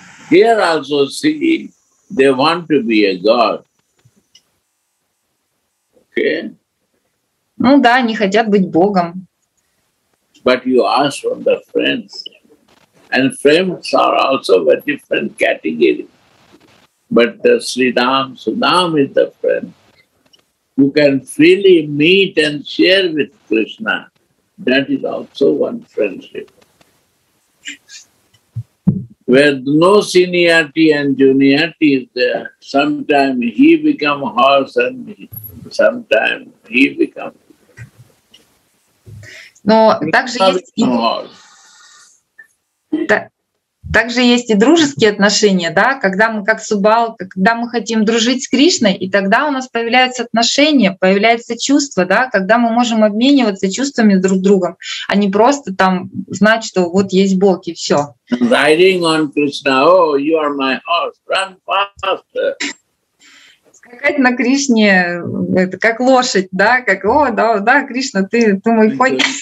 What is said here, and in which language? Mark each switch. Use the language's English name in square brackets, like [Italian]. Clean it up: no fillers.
[English] Here also see, they want to be a God. Okay. [Russian] Ну да, они хотят быть Богом. [English] But you ask from the friends. And friends are also a different category. But the Sridham, Sudham is the friend who can freely meet and share with Krishna. That is also one friendship. Where no seniority and juniority is there, sometimes he becomes horse and sometimes he becomes horse. [Russian] Также есть и дружеские отношения, да, когда мы как Субал, когда мы хотим дружить с Кришной, и тогда у нас появляются отношения, появляется чувство, да, когда мы можем обмениваться чувствами друг с другом, а не просто там знать, что вот есть Бог и все. [English] Riding on Krishna, oh, you are my horse, run faster. [Russian] Скакать на Кришне, это как лошадь, да, как о, да, да, Кришна, ты мой конь.